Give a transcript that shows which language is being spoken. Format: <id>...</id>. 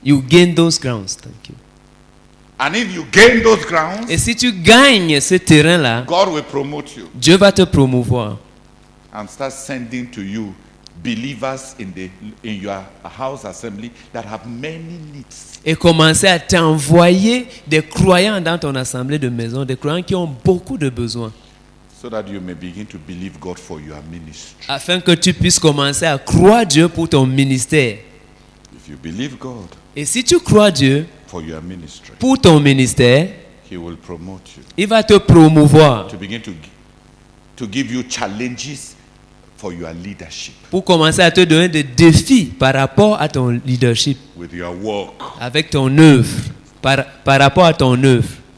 <en>You gain those grounds. Thank you. And if you gain those grounds,</en> <fr>et si tu gagnes ce terrain-là,</fr> <en>God will promote you.</en> <fr>Dieu va te promouvoir.</fr> <en>And start sending to you believers in your house assembly that have many needs.</en> <fr>Et commencer à t'envoyer des croyants dans ton assemblée de maison, des croyants qui ont beaucoup de besoins.</fr> <en>So that you may begin to believe God for your ministry.</en> <fr>Afin que tu puisses commencer à croire Dieu pour ton ministère.</fr> <en>If you believe God,</en> <fr>et si tu crois Dieu</fr> <en>for your ministry,</en> <fr>pour ton ministère,</fr> <en>He will promote you.</en> <fr>Il va te promouvoir.</fr> <en>To begin to give you challenges for your leadership.</en> <fr>Pour commencer à te donner des défis par rapport à ton leadership.</fr> <en>With your work.</en> <fr>Avec ton œuvre, par rapport à ton œuvre.</fr>